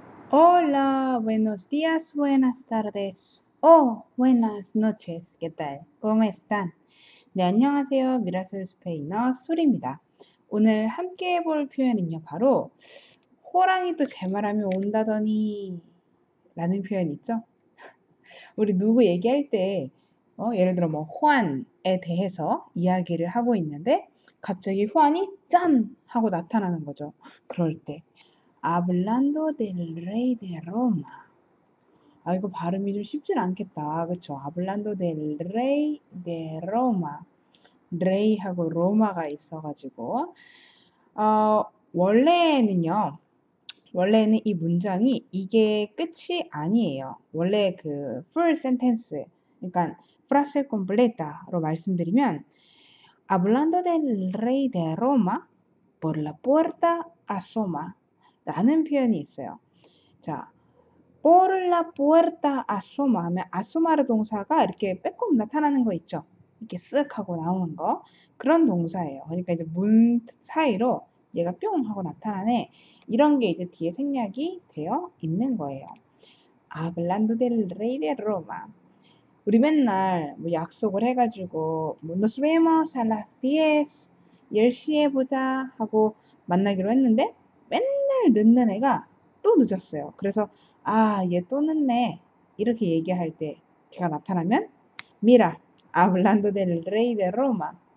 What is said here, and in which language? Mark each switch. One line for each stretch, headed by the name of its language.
Spanish: Hola, buenos días, buenas tardes o buenas noches. ¿Qué tal? ¿Cómo están?
Korean: 네, 안녕하세요. 미라솔 스페인어 수리입니다. 오늘 함께 볼 표현은요, 바로 호랑이도 제 말하면 온다더니 라는 표현 있죠? 우리 누구 얘기할 때, 예를 들어 뭐 호안에 대해서 이야기를 하고 있는데 갑자기 호안이 짠 하고 나타나는 거죠. 그럴 때.
Spanish: Hablando del rey de Roma.
Korean: 아, 이거 발음이 좀 쉽진 않겠다. 그쵸?
Spanish: Hablando del rey de Roma.
Korean: Rey하고 로마가 있어가지고. 원래는요, 원래는 이 문장이 이게 끝이 아니에요. 원래 그
English: full sentence,
Korean: 그러니까
Spanish: frase completa로
Korean: 말씀드리면,
Spanish: Hablando del rey de Roma, por la puerta asoma.
Korean: 라는 표현이 있어요. 자,
Spanish: por la puerta asoma
Korean: 하면 asomar 동사가 이렇게 빼꼼 나타나는 거 있죠? 이렇게 쓱 하고 나오는 거. 그런 동사예요. 그러니까 이제 문 사이로 얘가 뿅 하고 나타나네. 이런 게 이제 뒤에 생략이 되어 있는 거예요.
Spanish: Hablando del rey de Roma.
Korean: 우리 맨날 뭐 약속을 해가지고 뭐
Spanish: nos vemos a las 10,
Korean: 10시에 보자 하고 만나기로 했는데 맨날 늦는 애가 또 늦었어요. 그래서 아, 얘또 늦네 이렇게 얘기할 때 걔가 나타나면 미라,
Spanish: hablando del rey de Roma.